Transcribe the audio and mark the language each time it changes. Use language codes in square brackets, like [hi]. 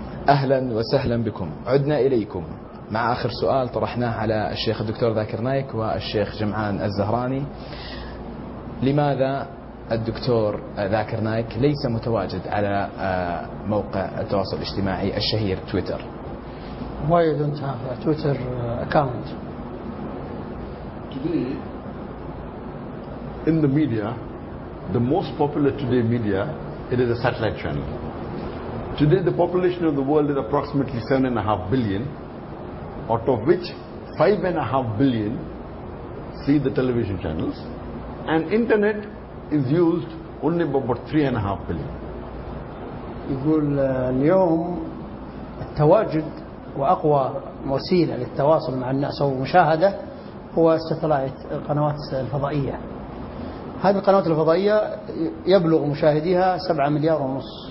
[ar] أهلا وسهلا بكم عدنا إليكم مع آخر سؤال طرحناه على الشيخ الدكتور ذاكر نايك والشيخ جمعان الزهراني لماذا الدكتور ذاكر نايك ليس متواجد على موقع التواصل الاجتماعي الشهير تويتر [en] Why don't you have a Twitter account? Today in the media, the most popular today media, it is a satellite channel. Today the population of the world is approximately 7.5 billion, out of which 5.5 billion see the television channels, and internet is used only by about 3.5 billion. [ar] يقول اليوم التواجد وأقوى وسيلة للتواصل مع الناس ومشاهدة هو الستلايت القنوات الفضائية. هذه القنوات الفضائية يبلغ مشاهديها 7.5 مليار.